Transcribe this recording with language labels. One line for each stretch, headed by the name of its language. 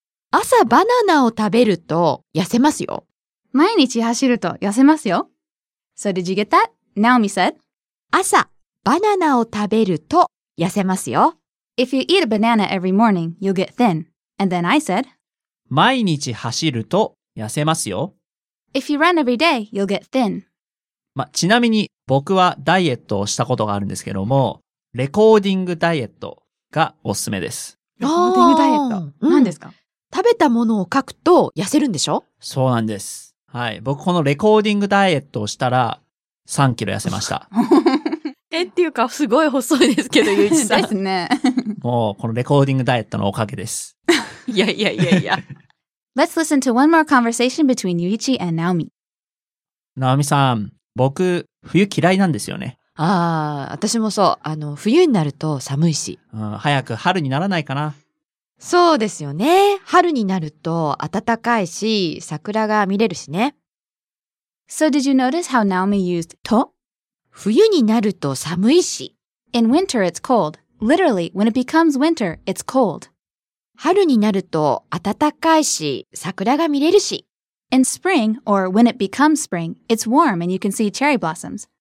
Japanese: 朝バナナを食べると痩せますよ。毎日走ると痩せますよ。
English: So did you get that? Naomi said.
Japanese: 朝バナナを食べると痩せますよ。
English: If you eat a banana every morning, you'll get thin. And then I said.
Japanese: 毎日走ると痩せますよ。
English: If you run every day, you'll get thin.
Japanese: まあ、ちなみに僕はダイエットをしたことがあるんですけども、レコーディングダイエットがおすすめです。レコーディングダイエット、うん、何ですか？食べたものを書くと痩せるんでしょ？そうなんです。はい。僕このレコーディングダイエットをしたら3キロ痩せました。え、っていうかすごい細いですけど、ゆういちさん。ですね。もうこのレコーディングダイエットのおかげです。いやいやいやいや。
English: Let's listen to one more conversation between Yuichi and Naomi.
Japanese: Naomi さん。僕、冬嫌いなんですよね。ああ、私もそう。冬になると寒いし。うん、早く春にならないかな。そうですよね。春になると暖かいし、桜が見れるしね。
English: So did you notice how Naomi used と?
Japanese: 冬になると寒いし。
English: In winter, it's cold. Literally, when it becomes winter, it's cold.
Japanese: 春になると暖かいし、桜が見れるし。
English: In spring, or when it becomes spring, it's warm and you can see cherry blossoms.